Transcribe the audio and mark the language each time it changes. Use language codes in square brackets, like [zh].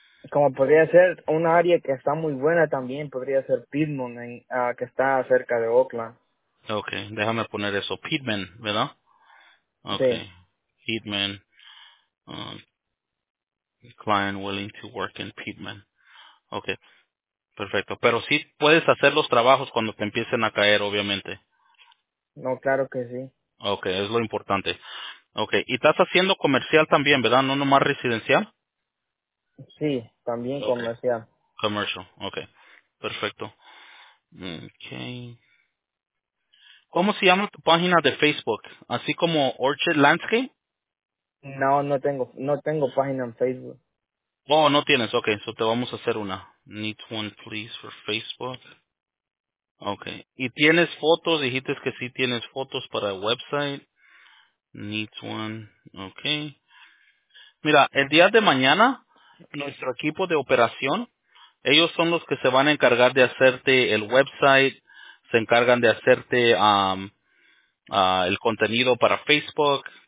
[es] Como podría ser un área que está muy buena también, podría ser Piedmont, que está cerca de Oakland. Okay, déjame poner eso, Pittman, ¿verdad? Sí. [en] Okay, Piedmont, client willing to work in Piedmont. [es] Okay, perfecto. Pero sí puedes hacer los trabajos cuando te empiecen a caer, obviamente. No, claro que Okay, es lo importante. Okay, y estás haciendo comercial también, ¿verdad? No nomás residencial. sí. Sí, también [en] Okay, [es] comercial. [en] commercial. Okay, perfecto. Okay. [es] ¿Cómo se llama tu página de Facebook? ¿Así como Orchard Landscape? No, no tengo página en Facebook. Oh, no tienes. Okay, so te vamos a hacer una. [en] Need one, please, for Facebook. [es] Okay. ¿Y tienes fotos? Dijiste que sí tienes fotos para el website. [en] Need one. [es] Okay. Mira, el día de mañana, nuestro equipo de operación, ellos son los que se van a encargar de hacerte el website. Se encargan de hacerte el contenido para Facebook.